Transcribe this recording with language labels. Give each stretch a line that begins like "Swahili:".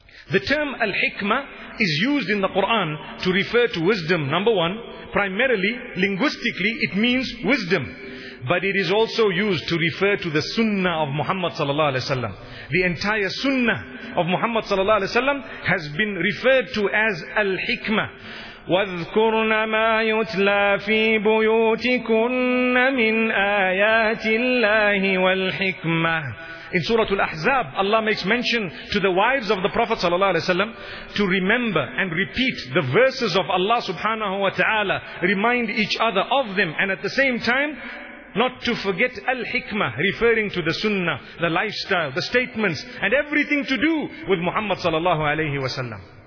English: The term al-hikmah is used in the Quran to refer to wisdom, number one. Primarily, linguistically, it means wisdom. But it is also used to refer to the sunnah of Muhammad sallallahu alaihi wasallam. The entire sunnah of Muhammad sallallahu alaihi wasallam has been referred to as al-hikmah.
Arabic: واذكرن ما يتلى في بيوتكن من آيات الله والحكمة.
English: In Surah Al-Ahzab, Allah makes mention to the wives of the Prophet sallallahu alaihi wasallam to remember and repeat the verses of Allah subhanahu wa ta'ala, remind each other of them, and at the same time not to forget Al-Hikmah, referring to the Sunnah, the lifestyle, the statements, and everything to do with Muhammad sallallahu alaihi wasallam.